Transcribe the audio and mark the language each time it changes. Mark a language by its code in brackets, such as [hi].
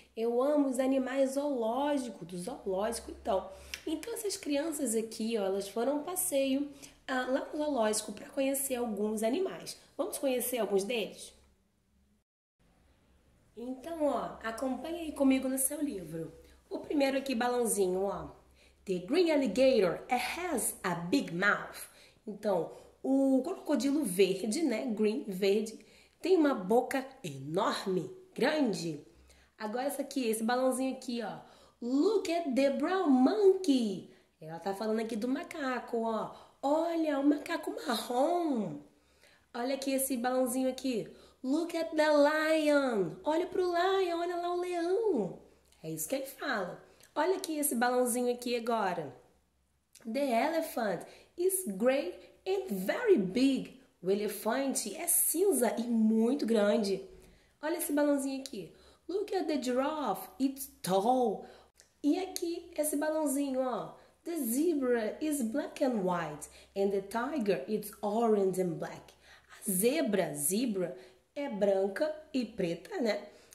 [pt] Eu amo os animais zoológicos, do zoológico e tal. Então, essas crianças aqui, ó, elas foram um passeio lá no zoológico para conhecer alguns animais. Vamos conhecer alguns deles? Então, ó, acompanha aí comigo no seu livro. O primeiro aqui, balãozinho, ó. [en] The green alligator has a big mouth. [pt] Então, o crocodilo verde, né? Green, verde, tem uma boca enorme, grande. Agora, essa aqui, esse balãozinho aqui, ó. [en] Look at the brown monkey. [pt] Ela tá falando aqui do macaco, ó. Olha, o macaco marrom. Olha aqui esse balãozinho aqui. [en] Look at the lion. [pt] Olha pro lion, olha lá o leão. É isso que ele fala. Olha aqui esse balãozinho aqui agora. [en] The elephant is gray and very big. [pt] O elefante é cinza e muito grande. Olha esse balãozinho aqui. [en] Look at the giraffe, it's tall. [pt] E aqui esse balãozinho, ó. [en] The zebra is black and white and the tiger it's orange and black. [pt] A zebra é branca e preta, né?